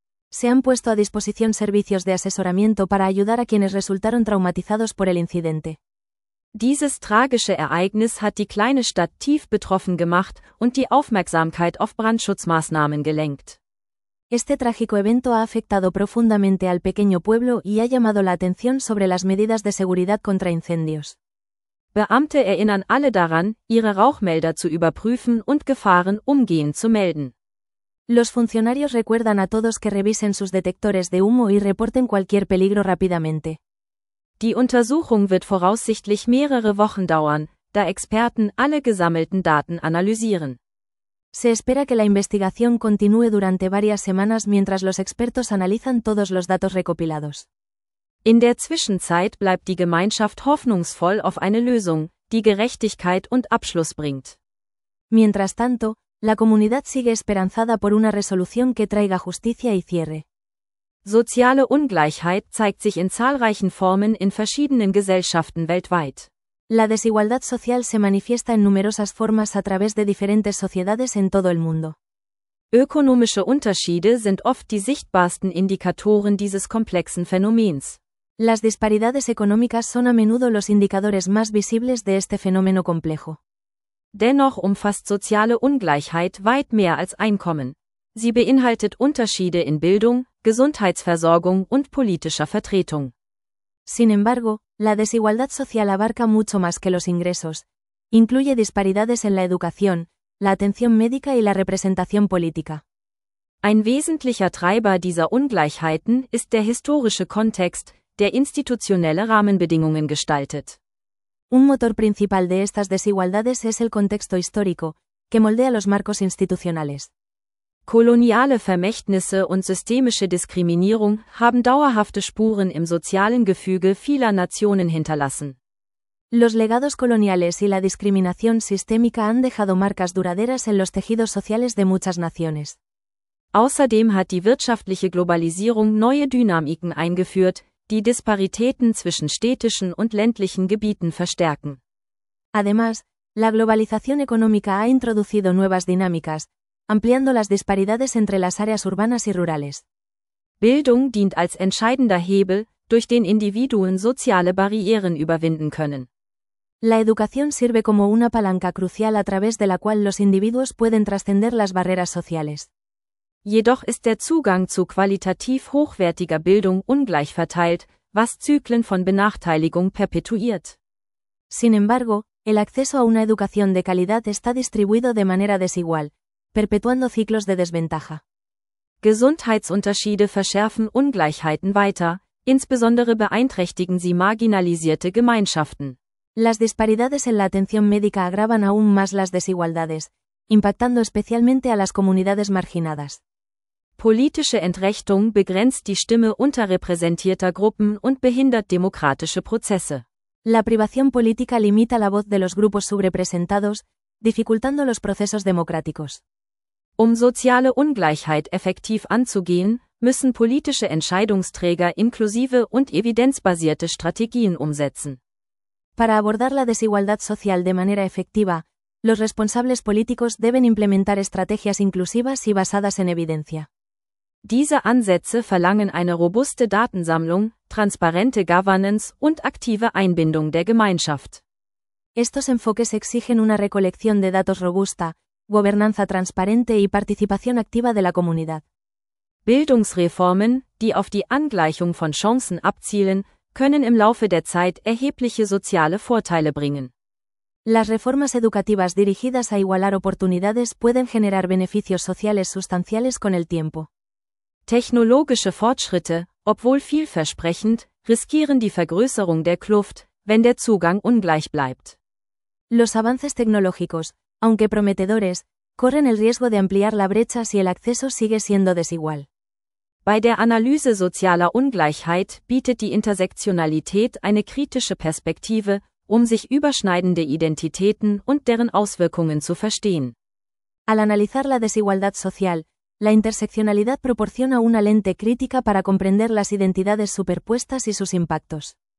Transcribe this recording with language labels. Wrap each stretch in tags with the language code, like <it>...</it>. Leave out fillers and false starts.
<es>Se han puesto a disposición servicios de asesoramiento para ayudar a quienes resultaron traumatizados por el incidente.</es> <de>Dieses tragische Ereignis hat die kleine Stadt tief betroffen gemacht und die Aufmerksamkeit auf Brandschutzmaßnahmen gelenkt.</de> <es>Este trágico evento ha afectado profundamente al pequeño pueblo y ha llamado la atención sobre las medidas de seguridad contra incendios.</es> <de>Beamte erinnern alle daran, ihre Rauchmelder zu überprüfen und Gefahren umgehend zu melden.</de> <es>Los funcionarios recuerdan a todos que revisen sus detectores de humo y reporten cualquier peligro rápidamente.</es> <de>Die Untersuchung wird voraussichtlich mehrere Wochen dauern, da Experten alle gesammelten Daten analysieren.</de> <es>Se espera que la investigación continúe durante varias semanas mientras los expertos analizan todos los datos recopilados.</es> <de>In der Zwischenzeit bleibt die Gemeinschaft hoffnungsvoll auf eine Lösung, die Gerechtigkeit und Abschluss bringt.</de> <es>Mientras tanto, la comunidad sigue esperanzada por una resolución que traiga justicia y cierre.</es> <de>Soziale Ungleichheit zeigt sich in zahlreichen Formen in verschiedenen Gesellschaften weltweit.</de> <es>La desigualdad social se manifiesta en numerosas formas a través de diferentes sociedades en todo el mundo.</es> <de>Ökonomische Unterschiede sind oft die sichtbarsten Indikatoren dieses komplexen Phänomens.</de> <es>Las disparidades económicas son a menudo los indicadores más visibles de este fenómeno complejo.</es> <de>Dennoch umfasst soziale Ungleichheit weit mehr als Einkommen. Sie beinhaltet Unterschiede in Bildung, Gesundheitsversorgung und politischer Vertretung.</de> <es>Sin embargo, la desigualdad social abarca mucho más que los ingresos. Incluye disparidades en la educación, la atención médica y la representación política.</es> <de>Ein wesentlicher Treiber dieser Ungleichheiten ist der historische Kontext, der institutionelle Rahmenbedingungen gestaltet.</de> <es>Un motor principal de estas desigualdades es el contexto histórico, que moldea los marcos institucionales.</es> <de>Koloniale Vermächtnisse und systemische Diskriminierung haben dauerhafte Spuren im sozialen Gefüge vieler Nationen hinterlassen.</de> <es>Los legados coloniales y la discriminación sistémica han dejado marcas duraderas en los tejidos sociales de muchas naciones.</es> <de>Außerdem hat die wirtschaftliche Globalisierung neue Dynamiken eingeführt, die Disparitäten zwischen städtischen und ländlichen Gebieten verstärken.</de> <es>Además, la globalización económica ha introducido nuevas dinámicas, ampliando las disparidades entre las áreas urbanas y rurales.</es> <de>Bildung dient als entscheidender Hebel, durch den Individuen soziale Barrieren überwinden können.</de> <es>La educación sirve como una palanca crucial a través de la cual los individuos pueden trascender las barreras sociales.</es> <de>Jedoch ist der Zugang zu qualitativ hochwertiger Bildung ungleich verteilt, was Zyklen von Benachteiligung perpetuiert.</de> <es>Sin embargo, el acceso a una educación de calidad está distribuido de manera desigual, perpetuando ciclos de desventaja.</es> <de>Gesundheitsunterschiede verschärfen Ungleichheiten weiter, insbesondere beeinträchtigen sie marginalisierte Gemeinschaften.</de> <es>Las disparidades en la atención médica agravan aún más las desigualdades, impactando especialmente a las comunidades marginadas.</es> <de>Politische Entrechtung begrenzt die Stimme unterrepräsentierter Gruppen und behindert demokratische Prozesse.</de> <es>La privación política limita la voz de los grupos subrepresentados, dificultando los procesos democráticos.</es> <de>Soziale Ungleichheit effektiv anzugehen, müssen politische Entscheidungsträger inklusive und evidenzbasierte Strategien umsetzen.</de> <es>Para abordar la desigualdad social de manera efectiva, los responsables políticos deben implementar estrategias inclusivas y basadas en evidencia.</es> <de>Diese Ansätze verlangen eine robuste Datensammlung, transparente Governance und aktive Einbindung der Gemeinschaft.</de> <es>Estos enfoques exigen una recolección de datos robusta, Gobernanza transparente y participación activa de la comunidad.</es> <de>Bildungsreformen, die auf die Angleichung von Chancen abzielen, können im Laufe der Zeit erhebliche soziale Vorteile bringen.</de> <es>Las reformas educativas dirigidas a igualar oportunidades pueden generar beneficios sociales sustanciales con el tiempo.</es> <de>Technologische Fortschritte, obwohl vielversprechend, riskieren die Vergrößerung der Kluft, wenn der Zugang ungleich bleibt.</de> <es>Los avances tecnológicos, aunque prometedores, corren el riesgo de ampliar la brecha si el acceso sigue siendo desigual.</es> <de>Bei der Analyse sozialer Ungleichheit bietet die Intersektionalität eine kritische Perspektive, um sich überschneidende Identitäten und deren Auswirkungen zu verstehen.</de> <es>Al analizar la desigualdad social, la interseccionalidad proporciona una lente crítica para comprender las identidades superpuestas y sus impactos.</es>